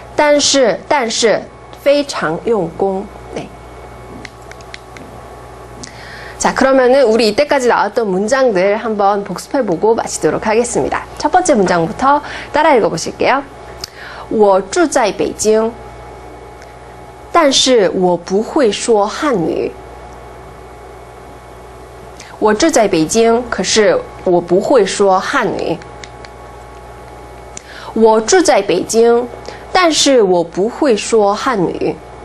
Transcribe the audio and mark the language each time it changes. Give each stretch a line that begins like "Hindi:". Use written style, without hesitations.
Chinese: 他虽然不太聪明，但是非常用功.
Korean: 네. 자, 그러면은 우리 이때까지 나왔던 문장들 한번 복습해 보고 마치도록 하겠습니다. 첫 번째 문장부터 따라 읽어 보실게요.
Chinese: 我住在北京，但是我不会说汉语。我住在北京，可是我不会说汉语。我住在北京，但是我不会说汉语。